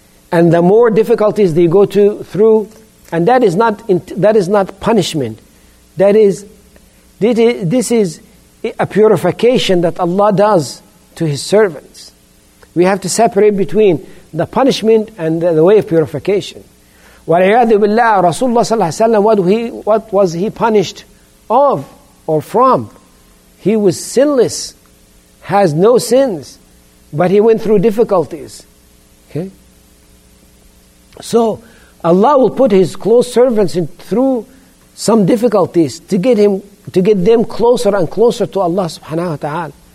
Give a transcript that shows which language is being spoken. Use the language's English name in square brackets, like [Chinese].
[English] And the more difficulties they go through, and that is not punishment. This is a purification that Allah does to His servants. We have to separate between the punishment and the way of purification. [Arabic] وَالْعِيَاذُ بِاللَّهِ رَسُولُ اللَّهِ صَلَّى اللَّهُ عَلَيْهِ وَسَلَّمَ [English] what was he punished of or from? He was sinless, has no sins, but he went through difficulties. Okay. So Allah will put His close servants through some difficulties to get them closer and closer to Allah subhanahu wa ta'ala.